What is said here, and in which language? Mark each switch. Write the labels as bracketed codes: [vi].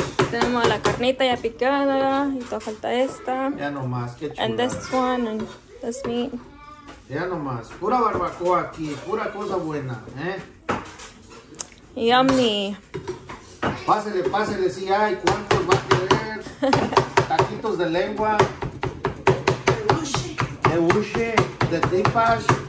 [es] Tenemos la carnita ya picada y todo falta esta. Ya nomás, qué chula. [en] And this one and this meat. [es] Ya nomás, pura barbacoa aquí, pura cosa buena, ¿eh? [en] Yummy. [es] Pásele, pásele, si hay, ¿cuántos va a querer? Taquitos de lengua. De ushe. De ushe, de tripas.